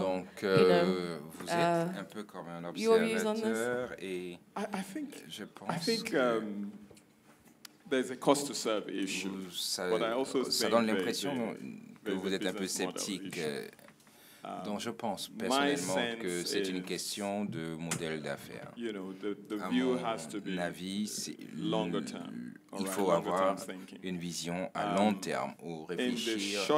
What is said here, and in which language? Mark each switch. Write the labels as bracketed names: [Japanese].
[French] Donc, vous êtes un peu comme un observateur et je pense [English] there's a cost to serve issue. [French] Ça donne l'impression que vous êtes un peu sceptique Donc je pense personnellement que c'est une question de modèle d'affaires. [English] You know, the view has to be longer term. [French] Il faut avoir une vision à long terme ou réfléchir